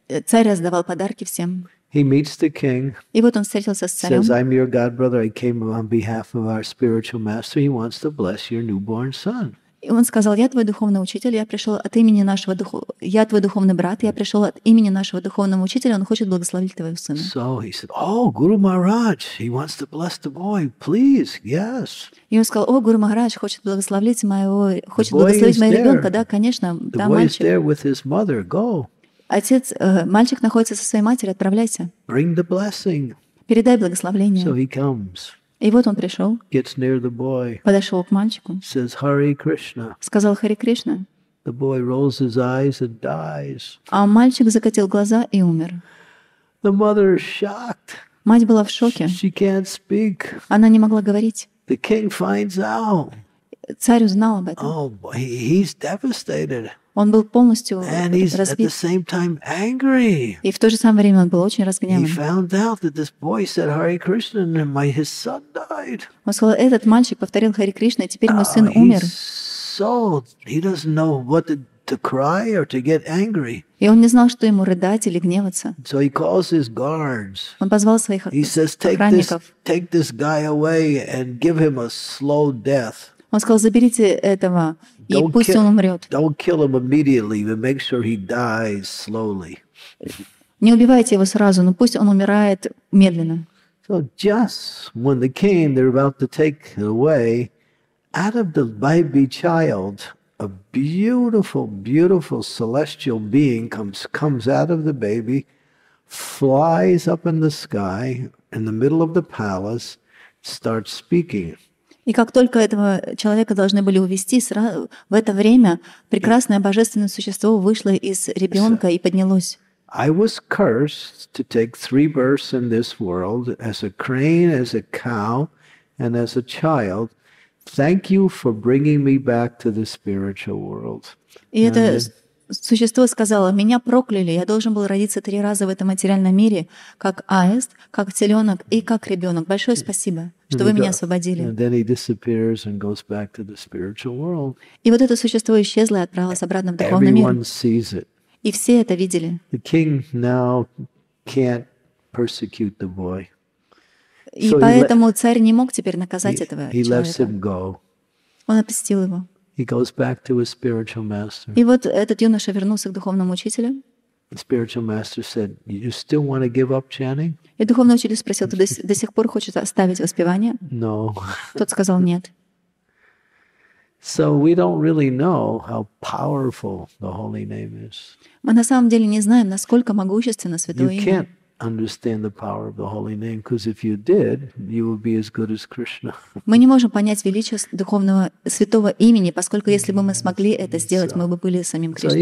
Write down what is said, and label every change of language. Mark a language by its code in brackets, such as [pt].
[ru] Царь раздавал подарки всем. [en] He meets the king. [ru] И вот он встретился с царем. [en] Says, I'm your god brother. I came on behalf of our spiritual master. He wants to bless your newborn son. [ru] И он сказал, я твой духовный учитель. Я пришел от имени нашего я твой духовный брат. Я пришел от имени нашего духовного учителя. Он хочет благословить твоего сына. [en] So he said, oh, Guru Maharaj, he wants to bless the boy. Please, yes. [ru] И он сказал, о, Гуру Махарадж хочет благословить моего, хочет благословить моего ребенка. Да, конечно, the да, мальчик. [en] The boy is there with his mother. Go. [ru] Отец, мальчик находится со своей матерью, отправляйся. [en] Bring the blessing. [ru] Передай благословение. [en] So he comes. [ru] И вот он пришел. [en] Gets near the boy. [ru] Подошел к мальчику. [en] Says, Hare Krishna. [ru] Сказал Харе Кришна. [en] The boy rolls his eyes and dies. [ru] А мальчик закатил глаза и умер. [en] The mother is shocked. [ru] Мать была в шоке. [en] She can't speak. [ru] Она не могла говорить. [en] The king finds out. [ru] Царь узнал об этом. [en] Oh boy, he's devastated. [ru] Он был полностью and разбит. [en] He's at the same time angry. [ru] И в то же самое время он был очень разгневан. [en] He found out that this boy said Hare Krishna and his son died. [ru] Он сказал, этот мальчик повторил Харе Кришна, и теперь мой сын умер. [en] So he doesn't know what to to cry or to get angry. [ru] И он не знал, что ему рыдать или гневаться. [en] So he calls his guards. [ru] Он позвал своих охранников. [en] He says, take this guy away and give him a slow death. [ru] Он сказал, заберите этого и пусть он умрет. [en] Don't kill him immediately, but make sure he dies slowly. [ru] Не убивайте его сразу, но пусть он умирает медленно. [en] So just when the king they're about to take away, out of the baby child, a beautiful, beautiful celestial being comes out of the baby, flies up in the sky in the middle of the palace, starts speaking. [ru] И как только этого человека должны были увести, сразу в это время прекрасное божественное существо вышло из ребенка и поднялось. [en] I was cursed to take three births in this world as a crane, as a cow, and as a child. Thank you for bringing me back to the spiritual world. [ru] И это существо сказало: меня прокляли. Я должен был родиться три раза в этом материальном мире, как аист, как теленок и как ребенок. Большое спасибо, что вы меня освободили. [en] And then he disappears and goes back to the spiritual world. [ru] И вот это существо исчезло и отправилось обратно в духовный мир. [en] Everyone sees it. [ru] И все это видели. [en] The king now can't persecute the boy. [ru] И so поэтому царь не мог теперь наказать этого he человека. [en] Lets him go. [ru] Он отпустил его. [en] He goes back to his spiritual master. [ru] И вот этот юноша вернулся к духовному учителю. [en] The spiritual master said, "You still want to give up chanting?" [ru] И духовный учитель спросил: "Ты до сих пор хочешь оставить воспевание?" [en] No. [ru] Тот сказал: "Нет." [en] So we don't really know how powerful the holy name is. [ru] Мы на самом деле не знаем, насколько могущественно святое имя. [en] You can't understand the power of the holy name, because if you did, you would be as good as Krishna. [ru] Мы не можем понять величие духовного святого имени, поскольку если бы мы смогли это сделать, мы бы были самим Кришной.